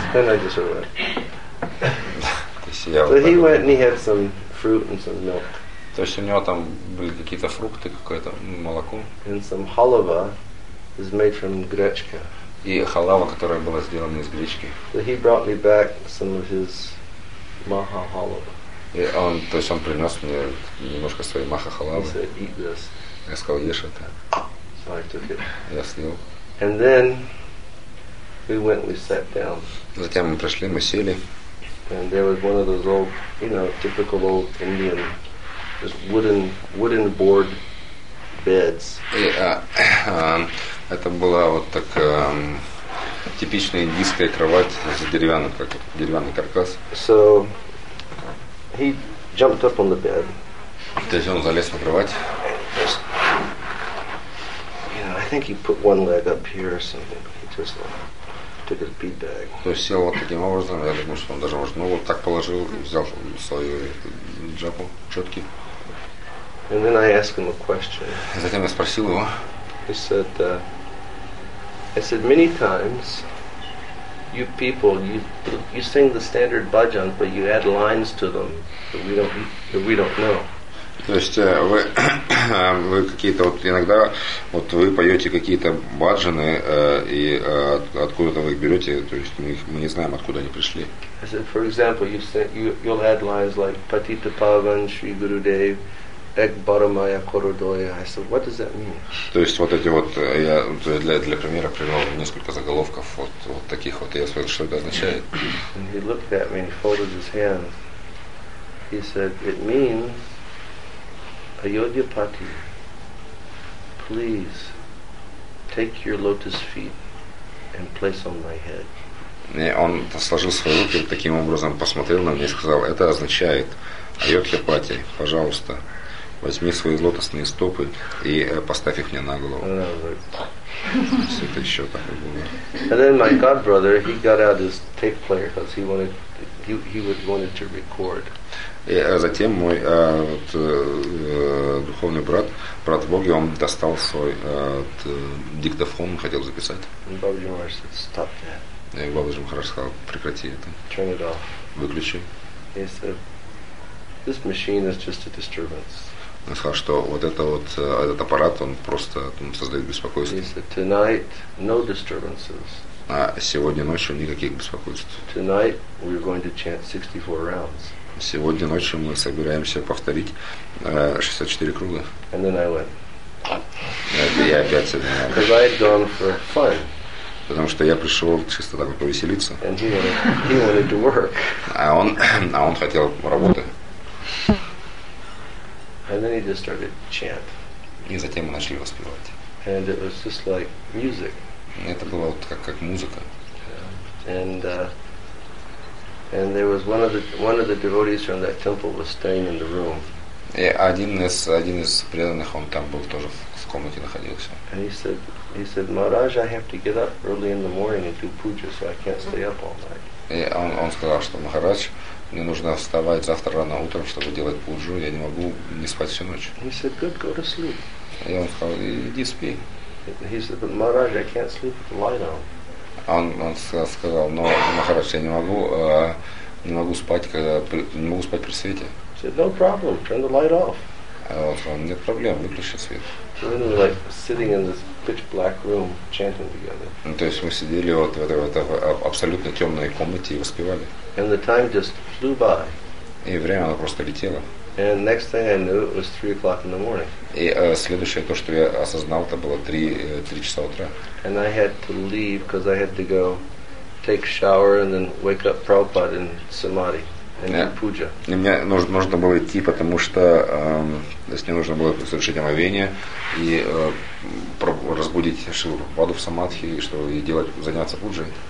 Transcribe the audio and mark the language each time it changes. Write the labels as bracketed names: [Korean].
[English] And I just went. So he went and he had some fruit and some milk. [Russian] То есть у него там были какие-то фрукты, какое-то молоко. [English] And some halava is made from гречка. [Russian] И халава, которая была сделана из гречки. [English] So he brought me back some of his maha halava. [Russian] И он, то есть он принес мне немножко своей маха халавы. [English] He said, eat this. [Russian] Я сказал, ешь это. [English] So I took it. [Russian] Я съел. [English] And then we went, we sat down. [Russian] Затем мы пришли, мы сели. [English] And there was one of those old, you know, typical old Indian, just wooden board beds. [Russian] Это была вот так типичная индийская кровать с деревянным, как деревянный каркас. [English] So he jumped up on the bed. [Russian] То есть он залез на кровать. [English] Just, you know, I think he put one leg up here or something. But he just like, took his bead bag. [Russian] То есть сел вот таким образом. Я думаю, что он даже может, ну вот так положил, взял свою джапу, четки. [English] And then I asked him a question. [Russian] Затем я спросил его. [English] He said, "I said many times, you people, you sing the standard bhajan, but you add lines to them that we don't know." [Russian] То есть вы какие-то вот иногда вот вы поете какие-то баджаны и откуда-то вы их берете, то есть мы не знаем, откуда они пришли. [English] I said, for example, you'll add lines like Patita Pavan, Sri Guru Dev. Экбарамая корудоя. I said, what does that mean? [Russian] То есть вот эти вот, я для примера привел несколько заголовков вот таких вот, я спросил, что это означает. [English] And he looked at me and folded his hands. He said, it means Ayodhyapati, please take your lotus feet and place on my head. [Russian] И он сложил свои руки, таким образом посмотрел на меня и сказал, это означает Ayodhyapati, пожалуйста. Возьми свои лотосные стопы и поставь их мне на голову. [English] Like, [Russian] это еще так и было. [English] And then my god brother, he got out his tape player because he wanted to record. [Russian] И затем мой духовный брат, брат Боги, он достал свой диктофон, хотел записать. [English] And Babaji Maharaj said, stop that. [Russian] И Бабаджи Махарадж сказал, прекрати это. [English] Turn it off. [Russian] Выключи. [English] He said, this machine is just a disturbance. [Russian] Он сказал, что вот это вот этот аппарат, он просто создает беспокойство. [English] Said, tonight, no disturbances. [Russian] А сегодня ночью никаких беспокойств. [English] Tonight we're going to chant 64 rounds. [Russian] Сегодня ночью мы собираемся повторить 64 круга. [English] And then I went. [Russian] Я опять сюда. [English] Because I had gone for fun. [Russian] Потому что я пришел чисто так повеселиться. [English] And he wanted to work. [Russian] А он хотел работы. [English] And then he just started chant. [Russian] И затем мы начали воспевать. [English] And it was just like music. [Russian] Это было вот как музыка. [English] And there was one of the devotees from that temple was staying in the room. [Russian] И один из преданных, он там был тоже в комнате находился. [English] And he said, Maharaj, I have to get up early in the morning and do puja, so I can't stay up all night. [Russian] И он сказал, что Махарадж, мне нужно вставать завтра рано утром, чтобы делать пуджу. Я не могу не спать всю ночь. [English] He said, good, go to sleep. [Russian] Я ему сказал, иди спи. [English] He said, but Maharaj, I can't sleep with the light on. [Russian] Он сказал, но Махарадж, я не могу спать при свете. [English] He said, no problem, turn the light off. [Russian] Он сказал, нет проблем, выключи свет. [English] So then we're like sitting in this pitch black room chanting together. [Russian] Ну, то есть мы сидели вот в этой абсолютно темной комнате и воспевали. [English] And the time just flew by. [Russian] И время оно просто летело. [English] And next thing I knew, it was 3 o'clock in the morning. [Russian] И следующее то, что я осознал, это было 3 часа утра. [English] And I had to leave because I had to go take shower and then wake up Prabhupada in samadhi. [Russian] И мне нужно было идти, потому что мне нужно было совершить омовение и разбудить Шилу Прабхупаду в самадхи, и делать, заняться пуджей.